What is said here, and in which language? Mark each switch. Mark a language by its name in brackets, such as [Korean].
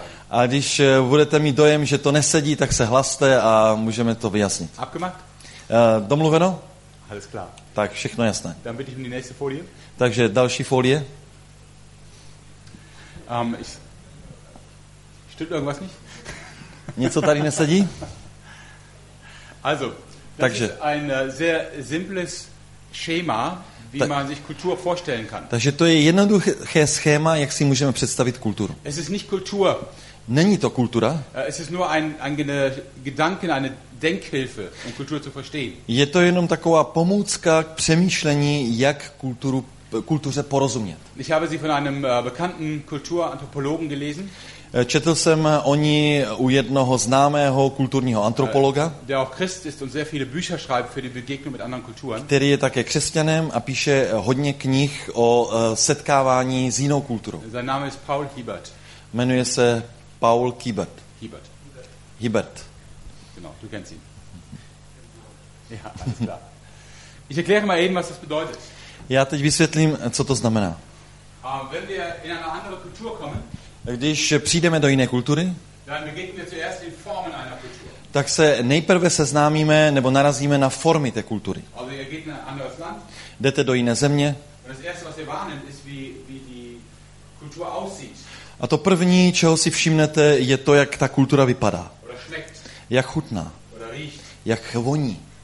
[Czech] A když budete mít dojem, že to nesedí, tak se hlaste a můžeme to vyjasnit. Domluveno? [German] Alles klar. [Czech] Tak, všechno jasné. [German] Dann bitte ich um die nächste Folie. [Czech] Takže další folie. [German] Stimmt irgendwas nicht? [Czech] Něco tady nesedí? [German] Also, takže das ist ein sehr simples Schema, wie man sich Kultur vorstellen kann. [Czech] Takže to je jednoduché schéma, jak si můžeme představit kulturu. [German] Es ist nicht Kultur. [Czech] Není to kultura. [German] Es ist nur ein Gedanken, eine Denkhilfe, um Kultur zu verstehen. [Czech] Je to jenom taková pomůcka k přemýšlení, jak kultuře porozumět. [German] Ich habe sie von einem bekannten Kulturanthropologen gelesen. [Czech] Četl jsem o ní u jednoho známého kulturního antropologa, [German] der auch Christ ist und sehr viele Bücher schreibt für die Begegnung mit anderen Kulturen. [Czech] Který je také křesťanem a píše hodně knih o setkávání s jinou kulturou. [German] Sein Name ist Paul Hiebert. [Czech] Jmenuje se Paul Kiebert. [German] Hiebert. Hiebert. Genau, du kennst ihn. Ja, alles klar. Ich erkläre mal eben, was das bedeutet. [Czech] Já teď vysvětlím, co to znamená. [German] Wenn wir in eine andere Kultur kommen, [Czech] když přijdeme do jiné kultury, [German] dann begegnen wir zuerst den Formen einer Kultur. [Czech] Tak se nejprve seznámíme nebo narazíme na formy té kultury. [German] Also ihr geht in ein anderes Land, [Czech] jdete do jiné země. [German] Das erste, was ihr wahrnimmt, ist, wie die Kultur aussieht. [Czech] A to první, čeho si všimnete, je to, jak ta kultura vypadá. Jak chutná. Jak voní.